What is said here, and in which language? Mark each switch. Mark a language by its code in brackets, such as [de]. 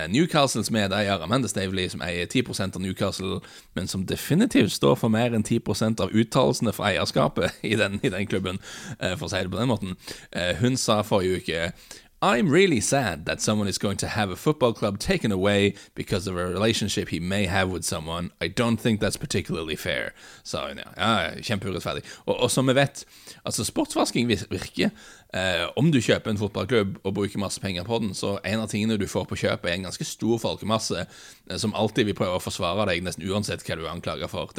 [no] Newcastles medeier Amanda Stavely, som eier 10% av Newcastle, men som definitivt står for mer enn 10% av uttalelsene fra eierskapet i den klubben, for å si det på den måten. Hun sa forrige uke: [en] I'm really sad that someone is going to have a football club taken away because of a relationship he may have with someone. I don't think that's particularly fair. [no] Så ja, ja, kjempeurettferdig. Og som vi vet, altså sportsvasking virker. Om du kjøper en fotballklubb og bruker masse penger på den, så en av tingene du får på kjøp en ganske stor folkemasse som alltid vil prøve å forsvare deg nesten uansett hva du anklager for.